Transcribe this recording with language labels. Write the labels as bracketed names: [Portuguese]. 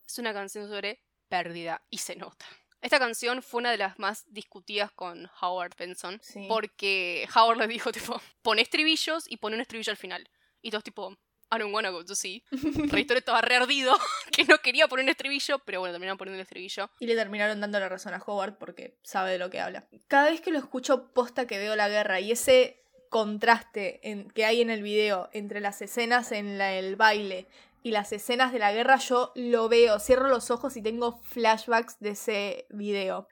[Spanish] Es una canción sobre pérdida y se nota. Esta canción fue una de las más discutidas con Howard Benson. Sí. Porque Howard le dijo, tipo, pon estribillos y pon un estribillo al final. Y todos, tipo, [English] I don't wanna go to see. [Spanish] Rey Toro estaba reardido, que no quería poner un estribillo, pero bueno, terminaron poniendo el estribillo. Y le terminaron dando la razón a Howard porque sabe de lo que habla. Cada vez que lo escucho posta que veo la guerra y ese contraste que hay en el video entre las escenas en el baile y las escenas de la guerra, yo lo veo, cierro los ojos y tengo flashbacks de ese video.